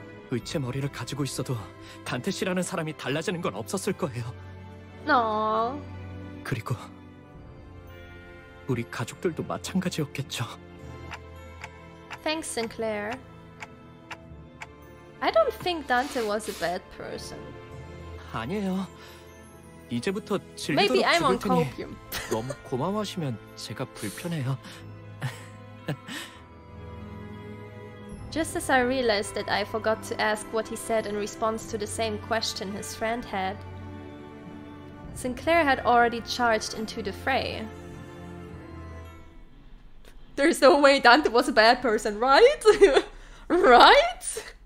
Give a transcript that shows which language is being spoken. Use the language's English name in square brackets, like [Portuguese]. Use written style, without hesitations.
[Korean] 의체 머리를 가지고 있어도 단테 씨라는 사람이 달라지는 건 없었을 거예요. 너. 그리고 우리 가족들도 마찬가지였겠죠. [English] Thanks, Sinclair. I don't think Dante was a bad person. [Korean] 아니에요. 이제부터 즐기도록 줄 테니 너무 고마워하시면 제가 불편해요. [English] Just as I realized that I forgot to ask what he said in response to the same question his friend had, Sinclair had already charged into the fray. There's no way Dante was a bad person, right? Right?